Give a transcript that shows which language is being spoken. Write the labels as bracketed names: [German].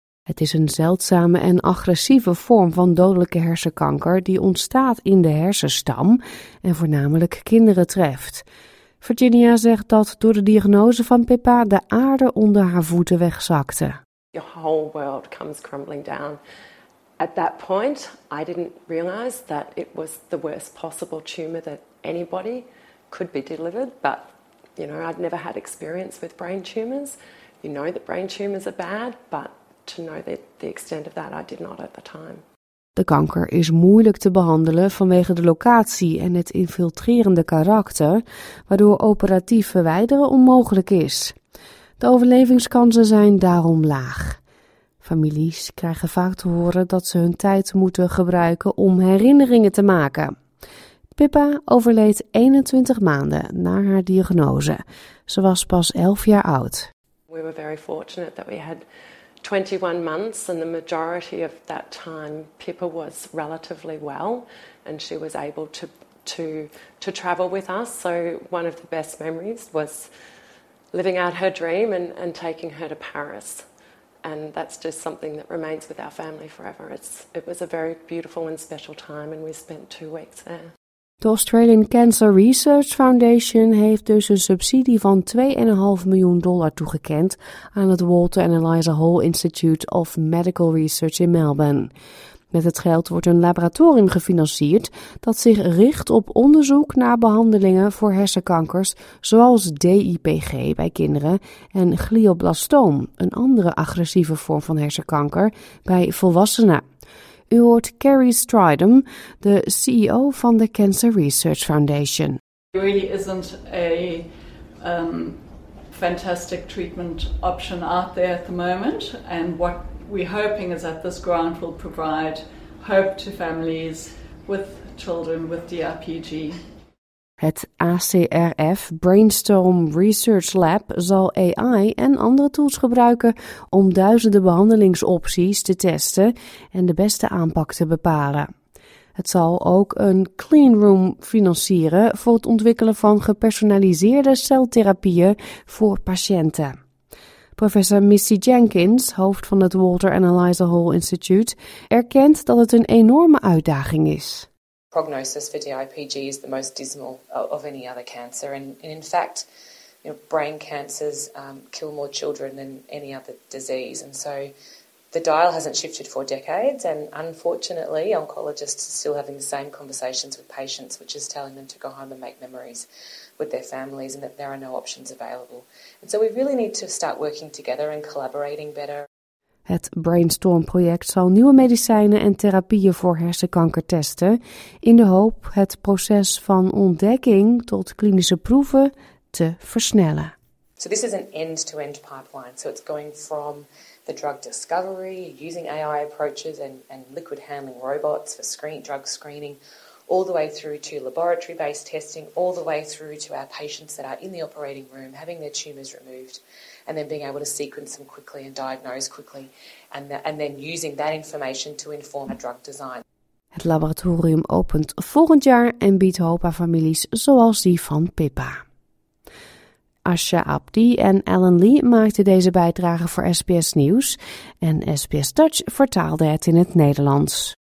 [Dutch] Het is een zeldzame en agressieve vorm van dodelijke hersenkanker die ontstaat in de hersenstam en voornamelijk kinderen treft. Virginia zegt dat door de diagnose van Pippa de aarde onder haar voeten wegzakte. [English] Your whole world comes crumbling down. At that point, I didn't realize that it was the worst possible tumor that anybody could be delivered. But, you know, I'd never had experience with brain tumors. You know that brain tumors are bad, but to know the extent of that, I did not at the time. [Dutch] De kanker is moeilijk te behandelen vanwege de locatie en het infiltrerende karakter, waardoor operatief verwijderen onmogelijk is. De overlevingskansen zijn daarom laag. Families krijgen vaak te horen dat ze hun tijd moeten gebruiken om herinneringen te maken. Pippa overleed 21 maanden na haar diagnose. Ze was pas 11 jaar oud. [English] We were very fortunate that we had 21 months and the majority of that time Pippa was relatively well and she was able to travel with us. So one of the best memories was living out her dream and taking her to Paris. And that's just something that remains with our family forever. It was a very beautiful and special time and we spent 2 weeks there. [Dutch] De Australian Cancer Research Foundation heeft dus een subsidie van $2,5 miljoen toegekend aan het Walter and Eliza Hall Institute of Medical Research in Melbourne. Met het geld wordt een laboratorium gefinancierd dat zich richt op onderzoek naar behandelingen voor hersenkankers zoals DIPG bij kinderen en glioblastoom, een andere agressieve vorm van hersenkanker, bij volwassenen. U hoort Carrie Strydom, de CEO van de Cancer Research Foundation. [English] It really isn't a fantastic treatment option out there at the moment. And what we're hoping is that this grant will provide hope to families with children with DRPG. [Dutch] Het ACRF Brainstorm Research Lab zal AI en andere tools gebruiken om duizenden behandelingsopties te testen en de beste aanpak te bepalen. Het zal ook een clean room financieren voor het ontwikkelen van gepersonaliseerde celtherapieën voor patiënten. Professor Missy Jenkins, hoofd van het Walter and Eliza Hall Institute, erkent dat het een enorme uitdaging is. [English] Prognosis for DIPG is the most dismal of any other cancer. And in fact, you know, brain cancers kill more children than any other disease. And so the dial hasn't shifted for decades. And unfortunately, oncologists are still having the same conversations with patients, which is telling them to go home and make memories with their families and that there are no options available. And so we really need to start working together and collaborating better. [Dutch] Het Brainstorm-project zal nieuwe medicijnen en therapieën voor hersenkanker testen, in de hoop het proces van ontdekking tot klinische proeven te versnellen. [English] So this is an end-to-end pipeline. So it's going from the drug discovery, using AI approaches and liquid handling robots for drug screening, all the way through to laboratory-based testing, all the way through to our patients that are in the operating room having their tumors removed. And then being able to sequence them quickly and diagnose quickly. And then using that information to inform a drug design. [Dutch] Het laboratorium opent volgend jaar en biedt hoop aan families zoals die van Pippa. Asha Abdi en Alan Lee maakten deze bijdrage voor SBS Nieuws. En SBS Dutch vertaalde het in het Nederlands.